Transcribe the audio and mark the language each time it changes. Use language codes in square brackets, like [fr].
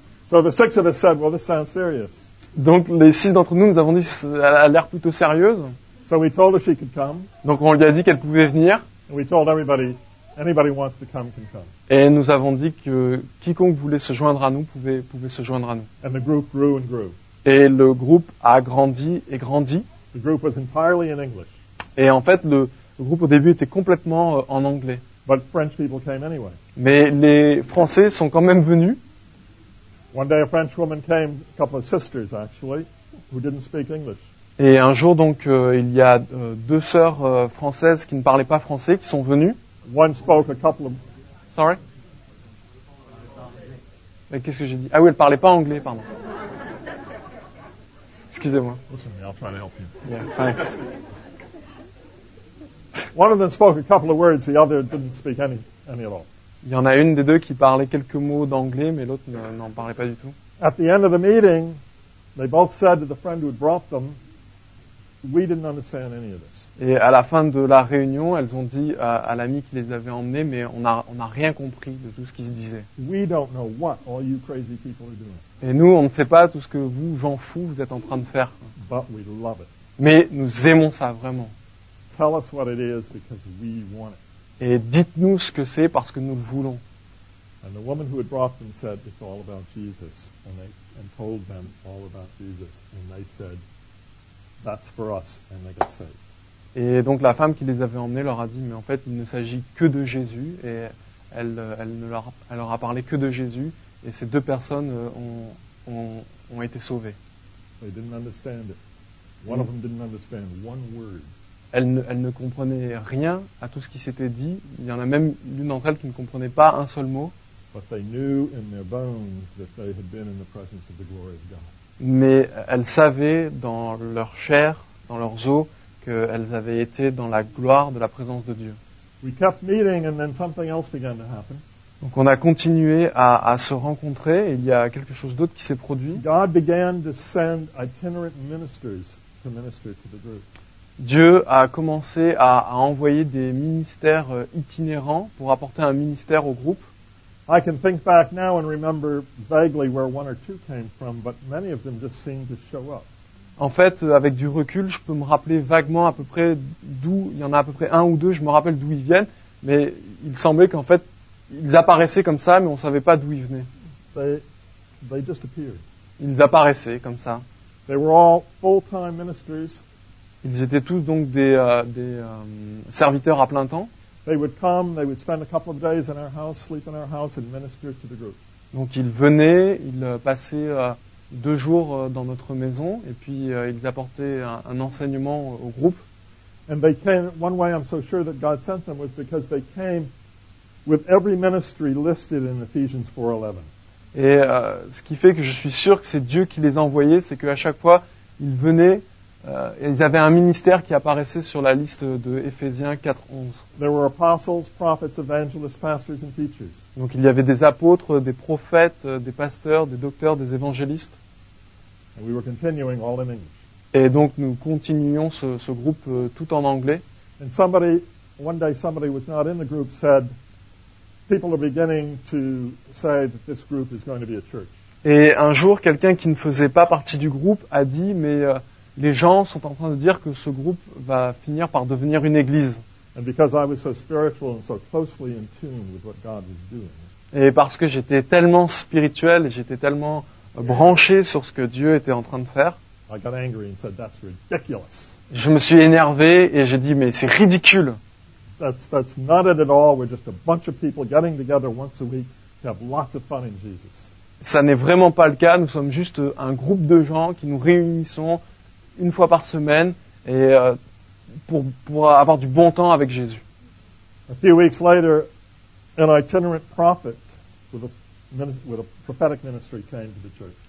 [en] So the six of us said, well, this sounds serious. [fr] Donc les six d'entre nous avons dit « Ça a l'air plutôt sérieuse. [en] So » we told her she could come. [fr] Donc on lui a dit qu'elle pouvait venir. [en] And we told everybody, anybody wants to come can come. [fr] Et nous avons dit que quiconque voulait se joindre à nous pouvait se joindre à nous. [en] And the group grew and grew. [fr] Et le groupe a grandi et grandi. [en] The group was entirely in English. [fr] Et en fait, le groupe au début était complètement en anglais. [en] But French people came anyway. [fr] Mais les Français sont quand même venus. [en] One day a French woman came, a couple of sisters actually, who didn't speak English. [fr] Et un jour, donc, il y a deux sœurs françaises qui ne parlaient pas français qui sont venues. [en] One spoke a couple of... Sorry? [fr] Mais qu'est-ce que j'ai dit? Ah oui, elle ne parlait pas anglais, pardon. Excusez-moi. [en] Listen to me, I'll try to help you. Yeah, thanks. One of them spoke a couple of words, the other didn't speak any at all. [fr] Il y en a une des deux qui parlait quelques mots d'anglais, mais l'autre n'en parlait pas du tout. [en] At the end of the meeting, they both said to the friend who had brought them, "We didn't understand any of this." [fr] Et à la fin de la réunion, elles ont dit à l'ami qui les avait emmenés, mais on a rien compris de tout ce qui se disait. [en] "We don't know what all you crazy people are doing." [fr] Et nous, on ne sait pas tout ce que vous, gens fous, vous êtes en train de faire. [en] "But we love it." [fr] Mais nous aimons ça vraiment. [en] "Tell us what it is because we want it." [fr] Et dites-nous ce que c'est parce que nous le voulons. [en] And the woman who had brought them said, "It's all about Jesus," and told them all about Jesus, and they said, "That's for us," and they got saved. [fr] Et donc la femme qui les avait emmenés leur a dit, mais en fait, il ne s'agit que de Jésus, et elle leur a parlé que de Jésus, et ces deux personnes ont été sauvées. [en] They didn't understand it. One of them didn't understand one word. [fr] Elle ne comprenait rien à tout ce qui s'était dit. Il y en a même l'une d'entre elles qui ne comprenait pas un seul mot. [en] But they knew in their bones that they had been in the presence of the glory of God. [fr] Mais elles savaient dans leur chair, dans leurs os, qu'elles avaient été dans la gloire de la présence de Dieu. [en] We kept meeting and then something else began to happen. [fr] Donc on a continué à se rencontrer et il y a quelque chose d'autre qui s'est produit. [en] God began to send itinerant ministers to minister to the group. [fr] Dieu a commencé à envoyer des ministères itinérants pour apporter un ministère au groupe. [en] I can think back now and remember vaguely where one or two came from, but many of them just seemed to show up. [fr] En fait, avec du recul, je peux me rappeler vaguement à peu près d'où il y en a à peu près un ou deux. Je me rappelle d'où ils viennent, mais il semblait qu'en fait, ils apparaissaient comme ça, mais on savait pas d'où ils venaient. [en] They just appeared. [fr] Ils apparaissaient comme ça. [en] They were all full-time ministers. [fr] Ils étaient tous donc des serviteurs à plein temps. [en] They would come, they would spend a couple of days in our house, sleep in our house and minister to the group. [fr] Donc ils venaient, ils passaient deux jours dans notre maison et puis ils apportaient un enseignement au groupe. [en] And they came, one way I'm so sure that God sent them was because they came with every ministry listed in Ephesians 4:11. [fr] Et ce qui fait que je suis sûr que c'est Dieu qui les envoyait, c'est qu'à chaque fois, ils venaient et ils avaient un ministère qui apparaissait sur la liste de Éphésiens 4:11. [en] There were apostles, prophets, evangelists, pastors and teachers. [fr] Donc il y avait des apôtres, des prophètes, des pasteurs, des docteurs, des évangélistes. [en] And we were continuing all in English. [fr] Et donc nous continuions ce groupe tout en anglais. [en] And somebody, one day somebody was not in the group said, people are beginning to say that this group is going to be a church. [fr] Et un jour, quelqu'un qui ne faisait pas partie du groupe a dit, mais les gens sont en train de dire que ce groupe va finir par devenir une église. [en] And because I was so spiritual and so closely in tune with what God was doing. [fr] Et parce que j'étais tellement spirituel et j'étais tellement branché sur ce que Dieu était en train de faire. [en] I got angry and said, that's ridiculous. [fr] Je me suis énervé et j'ai dit, mais c'est ridicule. [en] That's not it at all. We're just a bunch of people getting together once a week to have lots of fun in Jesus. [fr] Ça n'est vraiment pas le cas. Nous sommes juste un groupe de gens qui nous réunissons une fois par semaine et pour avoir du bon temps avec Jésus. [en] A few weeks later, an itinerant prophet with a prophetic ministry came to the church.